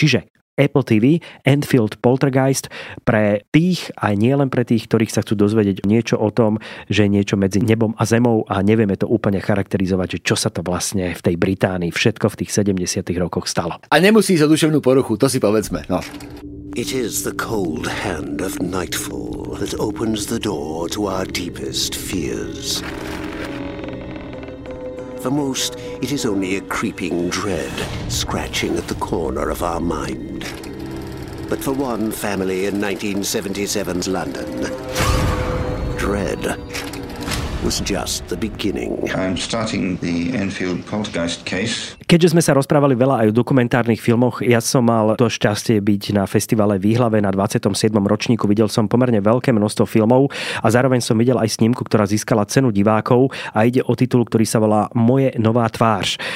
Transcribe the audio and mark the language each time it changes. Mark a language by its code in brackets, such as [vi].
[sk] Čiže Apple TV, Enfield Poltergeist pre tých a nielen pre tých, ktorých sa chcú dozvedieť niečo o tom, že je niečo medzi nebom a zemou a nevieme to úplne charakterizovať, že čo sa to vlastne v tej Británii všetko v tých 70. rokoch stalo. A nemusí ísť o duševnú poruchu, to si povedzme. No. [en] It is the cold hand of nightfall that opens the door to our deepest fears. the most, it is only a creeping dread scratching at the corner of our mind. But for one family in 1977's London, dread was just the beginning. I'm starting the Enfield Poltergeist case. [sk] Keďže sme sa rozprávali veľa aj o dokumentárnych filmoch, ja som mal to šťastie byť na festivale Výhlave na 27. ročníku. Videl som pomerne veľké množstvo filmov a zároveň som videl aj snímku, ktorá získala cenu divákov a ide o titul, ktorý sa volá Moje nová tvár.